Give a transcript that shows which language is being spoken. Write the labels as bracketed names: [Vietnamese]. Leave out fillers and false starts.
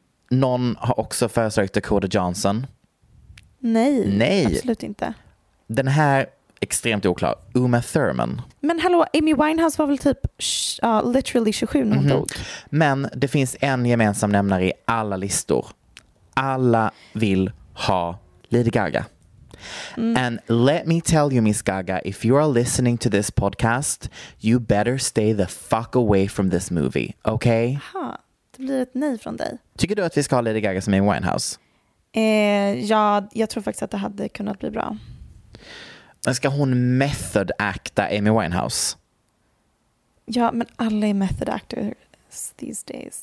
[Swedish] Någon har också föreslagit Dakota Johnson. Nej, nej, absolut inte. Den här, extremt oklar. Uma Thurman. Men hallå, Amy Winehouse var väl typ literally 27 när hon dog. Men det finns en gemensam nämnare i alla listor. Alla vill ha Lady Gaga. [English] And let me tell you, Miss Gaga, if you are listening to this podcast, you better stay the fuck away from this movie, okay? [Swedish] Aha, det blir ett nej från dig. Tycker du att vi ska ha Lady Gaga som Amy Winehouse? Ja, jag tror faktiskt att det hade kunnat bli bra. Men ska hon method acta Amy Winehouse? Ja, men alla är method actors [English] these days.